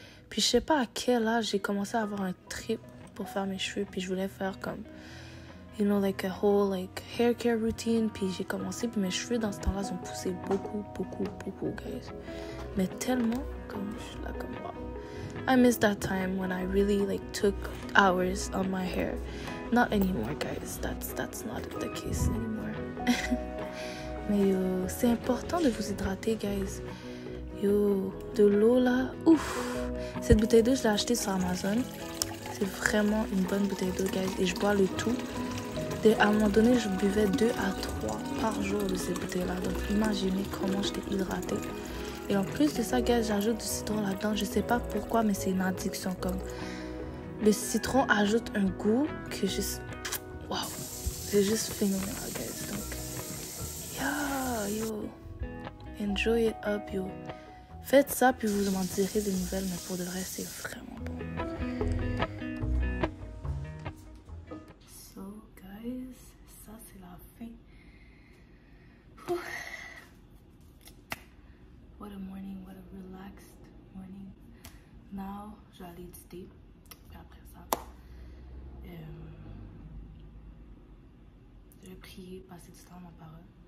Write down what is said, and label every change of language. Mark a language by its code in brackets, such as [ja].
[fr] Puis je sais pas à quel âge j'ai commencé à avoir un trip pour faire mes cheveux, puis je voulais faire comme, [en] you know, like a whole like hair care routine. [fr] Puis j'ai commencé, puis mes cheveux dans ce temps-là ont poussé beaucoup, beaucoup, beaucoup, guys. Mais tellement, comme je suis là comme moi. [en] I miss that time when I really like took hours on my hair. Not anymore, guys. That's not the case anymore. [fr] Mais yo, c'est important de vous hydrater, guys. Yo, de l'eau là, ouf. Cette bouteille d'eau, je l'ai achetée sur Amazon. C'est vraiment une bonne bouteille d'eau, guys. Et je bois le tout. À un moment donné, je buvais 2 à 3 par jour de cette bouteille là. Donc imaginez comment j'étais hydratée. Et en plus de ça, guys, j'ajoute du citron là-dedans. Je sais pas pourquoi, mais c'est une addiction. Comme le citron ajoute un goût que juste. Waouh! c'est juste phénoménal, guys. Donc, yeah, yo. [en] Enjoy it up, [fr] yo. Faites ça, puis vous en direz des nouvelles, mais pour de vrai, c'est vraiment bon. So, guys, ça, c'est la fin. Ouh. [en] What a morning, what a relaxed morning. [fr] Now, je vais aller dîner. Puis après ça, je vais prier, passer du temps à ma parole.